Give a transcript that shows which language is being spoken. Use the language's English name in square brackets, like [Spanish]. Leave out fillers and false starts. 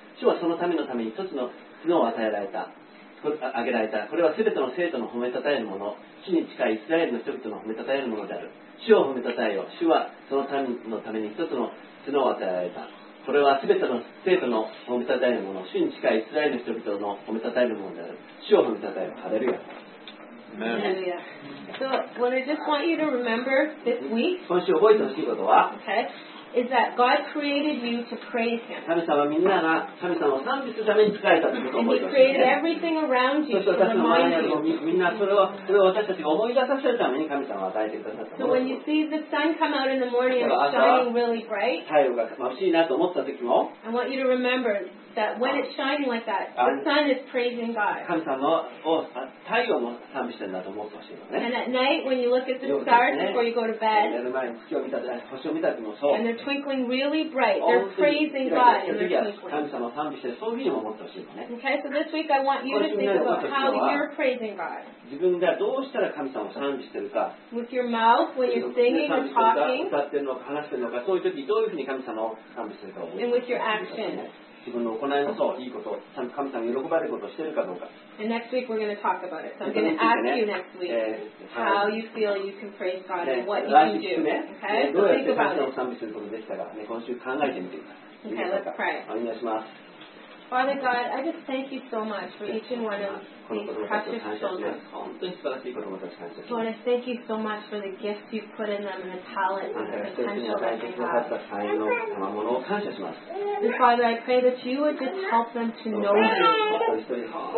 [Japanese] 主はその民のために一つの角を与えられた、あげられた、これはすべての生徒の褒めたたえるもの、地に近いイスラエルの人々の褒めたたえるものである。主を褒めたたえよ、主はその民のために一つの角を与えられた。これはすべての生徒の褒めたたえるもの、主に近いイスラエルの人々の褒めたたえるものである。主を褒めたたえよ、ハレルヤ。 [English] So what I just want you to remember this week, [Japanese] 今週覚えてほしいことは、 [English] okay, is that God created you to praise Him. [Japanese] 神様はみんなが神様を賛美するために使えたということを覚えてほしい。 [English] And He created everything around you to remind you. [Japanese] そして私たちの周りにあるみんなそれを私たちが思い出させるために神様を与えてくださったものです。 [English] So when you see the sun come out in the morning and it's shining really bright, [Japanese] 太陽が眩しいなと思った時も、 [English] I want you to remember. That when it's shining like that, the sun is praising God. [Japanese] 神様を太陽も賛美してるんだと思ってほしいのね。 [English] And at night, when you look at the stars before you go to bed, [Japanese] 寝る前に月を見たり、星を見たりもそう。 [English] And they're twinkling really bright. They're praising God. And they're twinkling. [Japanese] 神様を賛美してそういうふうにも思ってほしいのね。 [English] Okay, so this week I want you to think about how you're praising God. [Japanese] 自分がどうしたら神様を賛美してるか。 [English] With your mouth when you're singing or talking. [Japanese] 歌ってるのか話してるのか、そういう時どういうふうに神様を賛美してるか。 [English] And with your actions. [Japanese] 自分の行いのそういいこと、神様が喜ばれることをしているかどうか。 [English] And next week we're going to talk about it. So I'm going to ask you next week how you feel you can praise God and what you can do. Okay? [Japanese] どうやって神様を賛美することでしたか、ね、今週考えてみてください。 [English] Okay, let's pray. [Japanese] お願いします。 [English] Father God, I just thank you so much for each and one of these precious children. Lord, I thank you so much for the gifts you've put in them and the talent and the potential that they have. And Father, I pray that you would just help them to know you.